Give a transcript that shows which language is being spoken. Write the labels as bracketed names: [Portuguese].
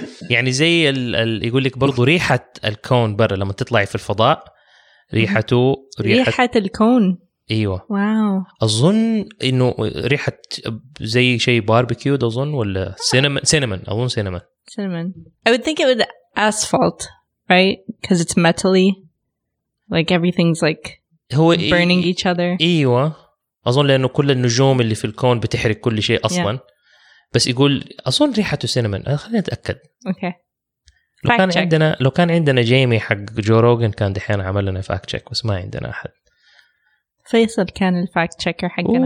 [Arabic] يعني زي ال يقول لك برضو ريحة الكون برا لما تطلعي في الفضاء. ريحته ريحة الكون أيوة واو أظن إنه ريحة زي شيء باربيكيو أظن ولا سينمون أظن سينمون [English] I would think it would asphalt right because it's metally like everything's like [Arabic] هو [English] burning each other [Arabic] أيوة أظن لأنه كل النجوم اللي في الكون بتحرق كل شيء أصلا [English] yeah. [Arabic] بس يقول أظن ريحته سينمون خليني أتأكد [English] okay. [Arabic] لو كان [English] check. [Arabic] عندنا لو كان عندنا جيمي حق جو روغن كان دحين عمل لنا فاكت تشيك بس ما عندنا احد فيصل كان الفاكت تشيكر حقنا